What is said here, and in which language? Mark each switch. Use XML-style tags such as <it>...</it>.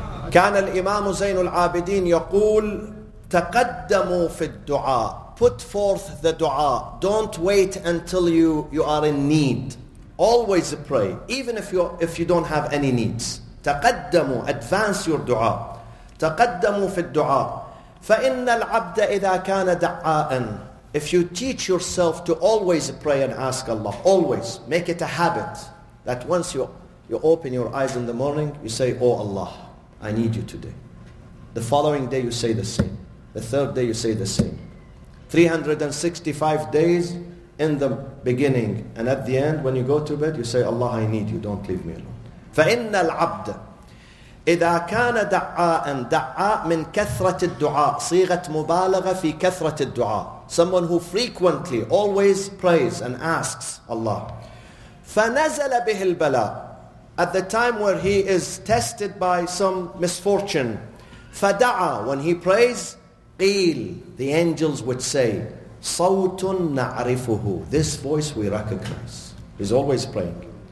<ar>كان الإمام زين العابدين يقول تقدموا في الدعاء.</ar> <en>Put forth the dua. Don't wait until you are in need. Always pray. Even if you don't have any needs.</en> <ar>تقدموا.</ar> <en>Advance your dua.</en> <ar>تقدموا في الدعاء. فَإِنَّ الْعَبْدَ إِذَا كَانَ دَعَاءً.</ar> <en>If you teach yourself to always pray and ask Allah, always, make it a habit, that once you open your eyes in the morning, you say, oh Allah, I need you today. The following day you say the same. The third day you say the same. 365 days in the beginning, and at the end when you go to bed, you say, Allah, I need you, don't leave me alone.</en> <ar>فَإِنَّ الْعَبْدَ إِذَا كَانَ دَعَاءً. دَعَاءً مِنْ كَثْرَةِ الدُّعَاءِ, صيغة مبالغة في كثرة الدعاء.</ar> <en>Someone who frequently always prays and asks Allah.</en> <ar>فَنَزَلَ بِهِ الْبَلَاءِ,</ar> <en>at the time where he is tested by some misfortune. فَدَعَى, when he prays, قِيل, the angels would say,</en> <ar>صَوْتٌ نَعْرِفُهُ,</ar> <en>this voice we recognize. He's always praying.</en>